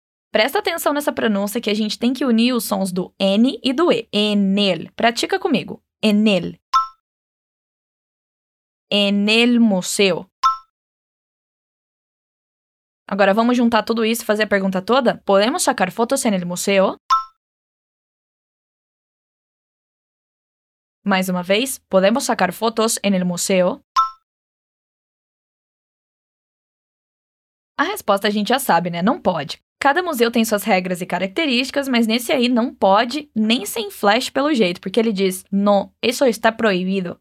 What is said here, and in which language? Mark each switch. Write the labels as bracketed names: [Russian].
[Portuguese] Presta atenção nessa pronúncia que a gente tem que unir os sons do N e do E. [Spanish] En el. [Portuguese] Pratica comigo. [Spanish] En el. En el museo. [Portuguese] Agora, vamos juntar tudo isso e fazer a pergunta toda? [Spanish] Podemos sacar fotos en el museo? [Portuguese] Mais uma vez, [Spanish] podemos sacar fotos en el museo? [Portuguese] A resposta a gente já sabe, né? Não pode. Cada museu tem suas regras e características, mas nesse aí não pode, nem sem flash pelo jeito, porque ele diz, no, isso está proibido.